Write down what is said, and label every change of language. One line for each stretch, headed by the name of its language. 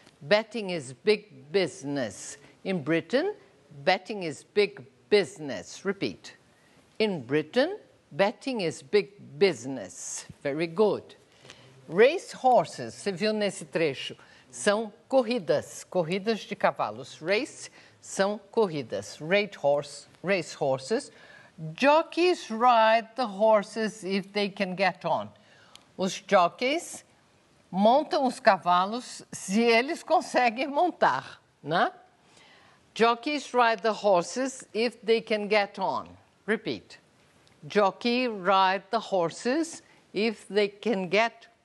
English: Betting is big business. In Britain, betting is big business. Repeat. In Britain, betting is big business. Very good.
Portuguese: Race horses, você viu nesse trecho, são corridas, corridas de cavalos. Race são corridas, race horses.
English: Jockeys ride the horses if they can get on.
Portuguese: Os jockeys montam os cavalos se eles conseguem montar, né?
English: Jockeys ride the horses if they can get on. Repeat. Jockey ride the horses if they can get on.